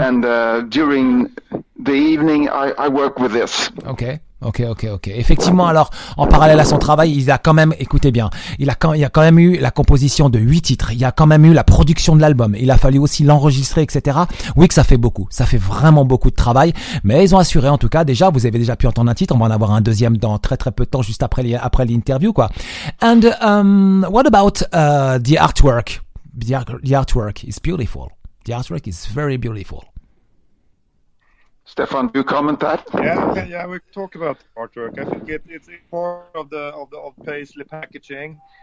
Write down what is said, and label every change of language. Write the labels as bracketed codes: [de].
[en] and during the evening, I work with this. Okay. Ok. [fr] Effectivement, alors, en parallèle à son travail, il a quand même, écoutez bien, il a quand même eu la composition de 8 titres, il a quand même eu la production de l'album, il a fallu aussi l'enregistrer, etc. Oui que ça fait beaucoup, ça fait vraiment beaucoup de travail, mais ils ont assuré, en tout cas, déjà, vous avez déjà pu entendre un titre, on va en avoir un deuxième dans très très peu de temps, juste après l'interview, quoi. [en] And, what about, the artwork? The artwork is beautiful. The artwork is very beautiful. Stefan, do you comment that? Yeah, we talk about the artwork. I think it's part of Paisley packaging.